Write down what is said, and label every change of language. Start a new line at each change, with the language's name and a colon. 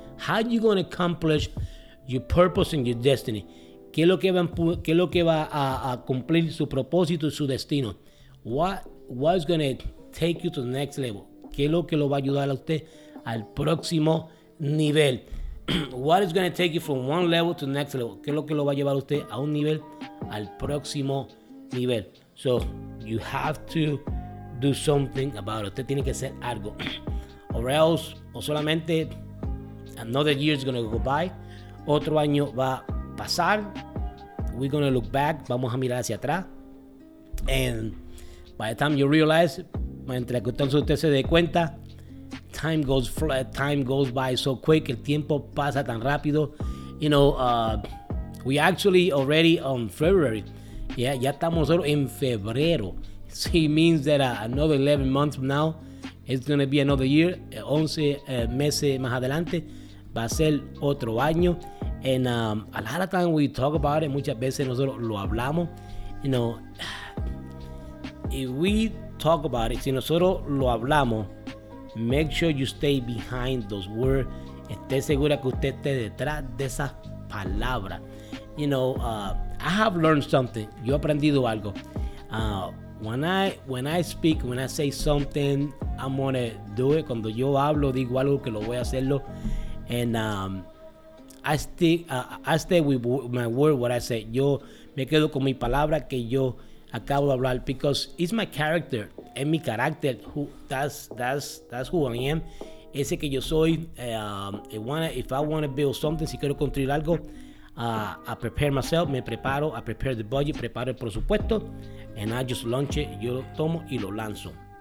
English: How you going to accomplish your purpose and your destiny?
Spanish: ¿Qué es lo que va a cumplir su propósito y su destino?
English: What is going to take you to the next level?
Spanish: ¿Qué es lo que lo va a ayudar a usted al próximo nivel?
English: What is going to take you from one level to the next level?
Spanish: ¿Qué es lo que lo va a llevar a usted a un nivel, al próximo nivel?
English: So you have to do something about it.
Spanish: Usted tiene que hacer algo.
English: Or else,
Spanish: o solamente
English: another year is going to go by.
Spanish: Otro año va a pasar.
English: We're going to look back.
Spanish: Vamos a mirar hacia atrás.
English: And by the time you realize,
Spanish: mientras que usted se dé cuenta,
English: time goes by so quick.
Spanish: El tiempo pasa tan rápido.
English: You know, we actually already on February.
Spanish: Yeah, ya estamos solo en febrero.
English: So it means that another 11 months from now, it's going to be another year.
Spanish: 11 meses más adelante, va a ser otro año.
English: And a lot of times we talk about it,
Spanish: muchas veces nosotros lo hablamos.
English: You know, if we talk about it,
Spanish: si nosotros lo hablamos,
English: make sure you stay behind those words.
Spanish: Esté segura que usted esté detrás de esas palabras.
English: You know, I have learned something.
Spanish: Yo he aprendido algo.
English: When I speak, when I say something, I'm gonna do it.
Spanish: Cuando yo hablo, digo algo que lo voy a hacerlo.
English: And I stay with my word, what I say.
Spanish: Yo me quedo con mi palabra que yo acabo de hablar,
English: because it's my character.
Spanish: Es mi carácter.
English: That's who I am.
Spanish: Ese que yo soy.
English: If I wanna build something,
Spanish: si quiero construir algo,
English: I prepare myself,
Spanish: me preparo,
English: I prepare the budget,
Spanish: preparo el presupuesto,
English: and I just launch it,
Spanish: yo lo tomo y lo lanzo.